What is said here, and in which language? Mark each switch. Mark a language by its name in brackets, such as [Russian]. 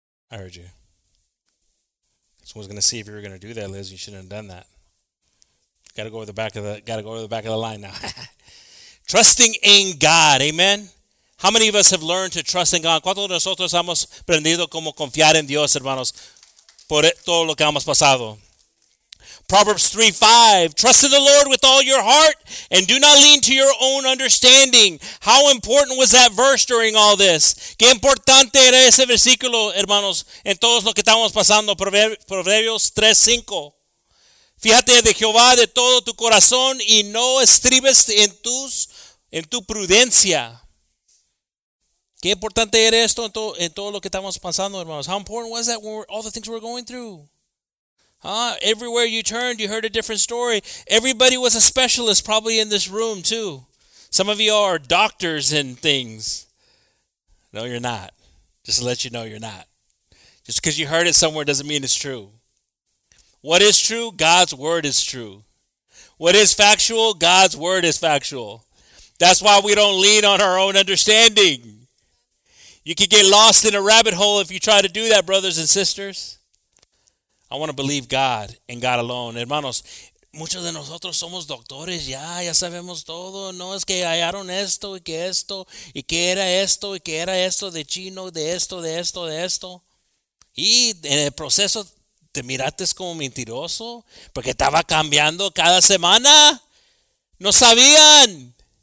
[English] I heard you. Someone's going to see if you were going to do that, Liz. You shouldn't have done that. Got to go over the back of the line now. Trusting in God, amen? How many of us have learned to trust in God? [Spanish] ¿Cuántos de nosotros hemos aprendido cómo confiar en Dios, hermanos, por todo lo que hemos pasado? [English] Proverbs 3:5, trust in the Lord with all your heart and do not lean to your own understanding. How important was that verse during all this? [Spanish] Qué importante era ese versículo, hermanos, en todos lo que estamos pasando. Proverbios 3:5. Fíjate de Jehová de todo tu corazón y no estribes en tu prudencia. Qué importante era esto en todo lo que estamos pasando, hermanos. [English] How important was that all the things we're going through? Everywhere you turned, you heard a different story. Everybody was a specialist, probably in this room too. Some of you are doctors and things. No, you're not. Just to let you know, you're not. Just because you heard it somewhere doesn't mean it's true. What is true? God's word is true. What is factual? God's word is factual. That's why we don't lean on our own understanding. You could get lost in a rabbit hole if you try to do that, brothers and sisters. I want to believe God and God alone. [Spanish] Hermanos, muchos de nosotros somos doctores. Ya sabemos todo. No, es que hallaron esto y que esto. Y que era esto y que era esto de chino. De esto, de esto, de esto. Y en el proceso te miraste como mentiroso. Porque estaba cambiando cada semana. No sabían.